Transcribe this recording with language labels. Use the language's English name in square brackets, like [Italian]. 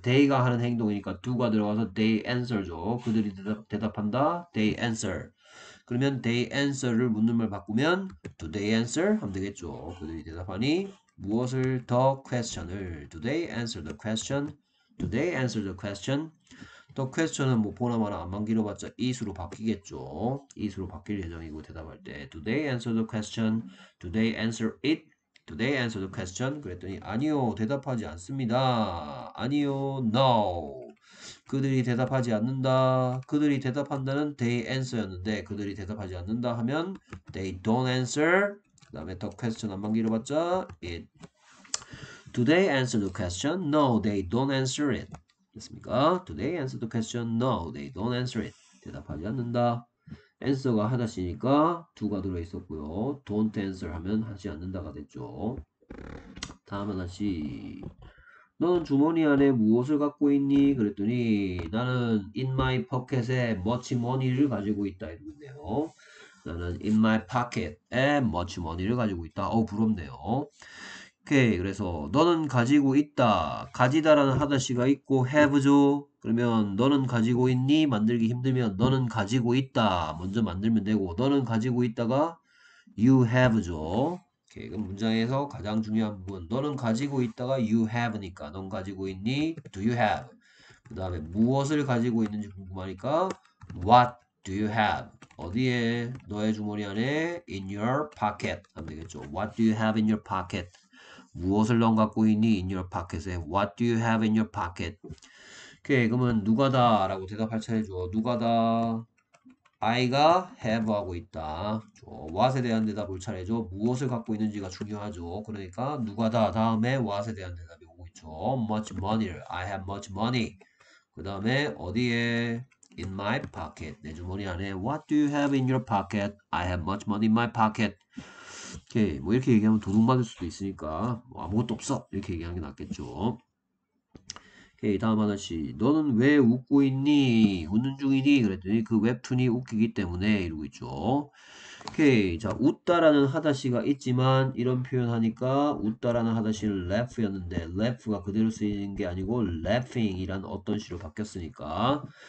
[Korean] they가 하는 행동이니까 do가 들어가서 they answer죠. 그들이 대답한다 they answer. 그러면 they answer를 묻는 말 바꾸면 [English] do they answer? [Korean] 하면 되겠죠. 그들이 대답하니 무엇을 [English] the question을 do they answer the question? do they answer the question? [Korean] The question은 뭐 보나 마나 안만 길어봤자 is로 바뀌겠죠. [English] is로 [Korean] 바뀔 예정이고 대답할 때 [English] Do they answer the question? Do they answer it? Do they answer the question? [Korean] 그랬더니 아니요 대답하지 않습니다. 아니요 no. 그들이 대답하지 않는다. 그들이 대답한다는 they answer였는데 그들이 대답하지 않는다 하면 [English] they don't answer. [Korean] 그다음에 the question 안만 길어봤자 it. [English] Do they answer the question? No, they don't answer it. [Korean] 됐습니까? [English] Do they answer the question? No, they don't answer it. [Korean] 대답하지 않는다. answer가 하다시니까 do가 들어있었고요. don't answer 하면 하지 않는다가 됐죠. 다음 하나씩. 너는 주머니 안에 무엇을 갖고 있니? 그랬더니 나는 in my pocket에 much money를 가지고 있다. 이러는데요. 나는 in my pocket에 much money를 가지고 있다. 어우, 부럽네요. 오케이. 그래서 너는 가지고 있다. 가지다라는 하다시가 있고 have죠. 그러면 너는 가지고 있니? 만들기 힘들면 너는 가지고 있다. 먼저 만들면 되고 너는 가지고 있다가 you have죠. 오케이. 그럼 문장에서 가장 중요한 부분. 너는 가지고 있다가 you have니까 넌 가지고 있니? [English] do you have? [Korean] 그 다음에 무엇을 가지고 있는지 궁금하니까 [English] what do you have? [Korean] 어디에? 너의 주머니 안에 [English] in your pocket [Korean] 하면 되겠죠. [English] what do you have in your pocket? [Korean] 무엇을 넌 갖고 있니? In your pocket에. [English] What do you have in your pocket? [Korean] 오케이. 그러면 누가다라고 대답할 차례죠. 누가다? I가 have하고 있다. What에 대한 대답을 차례죠. 무엇을 갖고 있는지가 중요하죠. 그러니까 누가다 다음에 What에 대한 대답이 오고 있죠. [English] Much money. I have much money. [Korean] 그 다음에 어디에? [English] In my pocket. [Korean] 내 주머니 안에. [English] What do you have in your pocket? I have much money in my pocket. [Korean] 이렇게 뭐 이렇게 얘기하면 도둑맞을 수도 있으니까 뭐 아무것도 없어 이렇게 얘기하는 게 낫겠죠. 오케이, 다음 하나씩. 너는 왜 웃고 있니? 웃는 중이니? 그랬더니 그 웹툰이 웃기기 때문에 이러고 있죠. 오케이, 자, 웃다라는 하다시가 있지만 이런 표현하니까 웃다라는 하다시를 래프였는데 래프가 그대로 쓰이는 게 아니고 래핑이란 어떤 시로 바뀌었으니까.